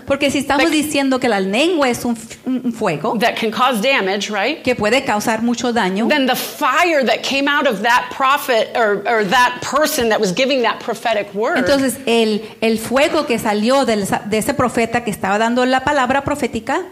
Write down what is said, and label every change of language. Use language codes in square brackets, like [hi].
[es] Porque si estamos diciendo que la lengua es un fuego. [en] That can cause damage, right? [es] Que puede causar mucho daño. [en] Then the fire that came out of that prophet or that person that was giving that prophetic word. [es] Entonces el fuego que salió de ese profeta que estaba dando la palabra profética.